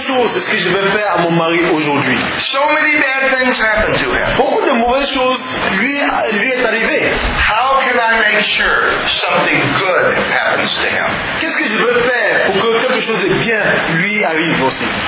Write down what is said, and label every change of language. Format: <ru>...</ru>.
<fr>C'est ce que je vais faire à mon mari aujourd'hui.</fr> <en>So many bad things happen to him.</en> <fr>Beaucoup de mauvaises choses lui est arrivé.</fr> <en>How can I make sure something good happens to him?</en> <fr>Qu'est-ce que je veux faire pour que quelque chose de bien lui arrive aussi?</fr>